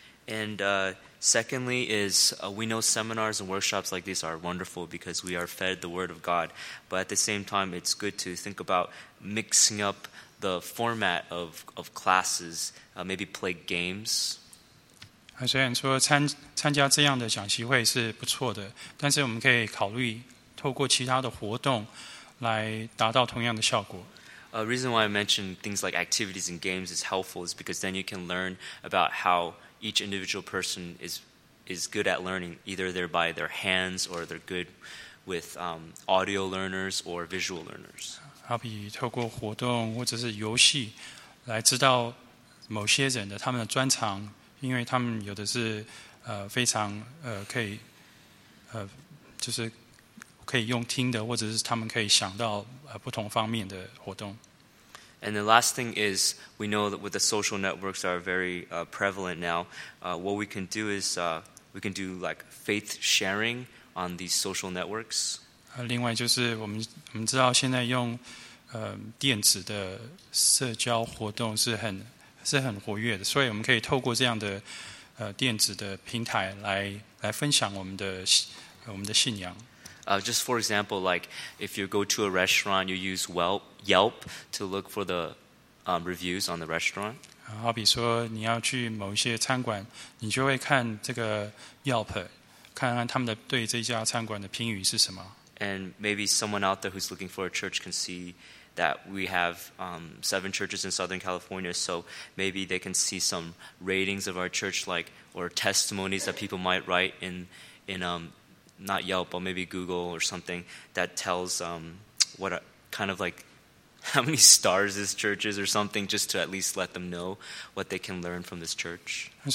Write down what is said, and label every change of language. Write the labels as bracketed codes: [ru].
[en] And secondly is, we know seminars and workshops like these are wonderful because we are fed the word of God. But at the same time, it's good to think about mixing up the format of classes, maybe play games. [zh] 虽然说参加这样的讲习会是不错的，但是我们可以考虑透过其他的活动来达到同样的效果。 [en] A reason why I mentioned things like activities and games is helpful is because then you can learn about howEach individual person is good at learning, either they're by their hands or they're good with audio learners or visual learners. [zh] 好比透过活动或者是游戏来知道某些人的他们的专长，因为他们有的是非常可以就是可以用听的，或者是他们可以想到不同方面的活动。 [en] And the last thing is, we know that with the social networks are very prevalent now, what we can do is, we can do like faith sharing on these social networks. [zh] 另外就是我们知道现在用电子的社交活动是很活跃的，所以我们可以透过这样的电子的平台来分享我们的信仰。 [en] Just for example, like if you go to a restaurant, you use Yelp to look for the reviews on the restaurant. [zh] 好比说你要去某一些餐馆，你就会看这个 Yelp， 看看他们的对这家餐馆的评语是什么。 [en] And maybe someone out there who's looking for a church can see that we have 7 churches in Southern California, so maybe they can see some ratings of our church, like, or testimonies that people might write in not Yelp, but maybe Google or something, that tells what kind of like how many stars this church is or something, just to at least let them know what they can learn from this church.